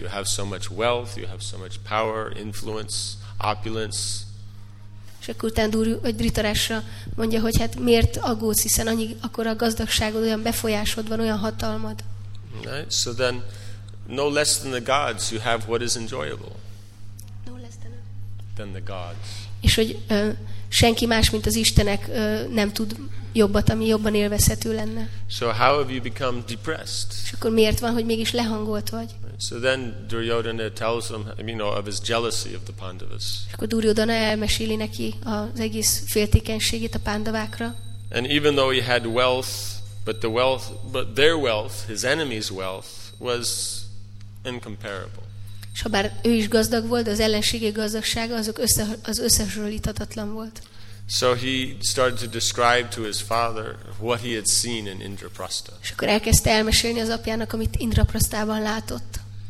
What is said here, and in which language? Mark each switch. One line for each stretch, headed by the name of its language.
English: You have so much wealth, you have so much power, influence, opulence.
Hungarian: És akkor utána Dhritarashtra mondja, hogy hát miért aggódsz, hiszen annyi, akkor a gazdagságod, olyan befolyásod van, olyan hatalmad.
English: Right? So then, no less than the gods, you have what is enjoyable. No less than the gods.
Hungarian: És hogy senki más, mint az Istenek nem tud jobbat, ami jobban élvezhető lenne.
English: So how have you become depressed?
Hungarian: És akkor miért van, hogy mégis lehangolt vagy?
English: So then Duryodhana tells him, you know, of his jealousy of the Pandavas.
Hungarian: És akkor Duryodhana elmeséli neki az egész féltékenységét a Pándavákra.
English: And even though he had wealth, but their wealth, his enemy's wealth, was incomparable.
Hungarian: És ha bár ő is gazdag volt, az ellenségi gazdagsága az összehasonlíthatatlan volt.
English: So he started to describe to his father what he had seen in Indraprastha.
Hungarian: És akkor elkezdte elmesélni az apjának, amit Indraprasthában látott.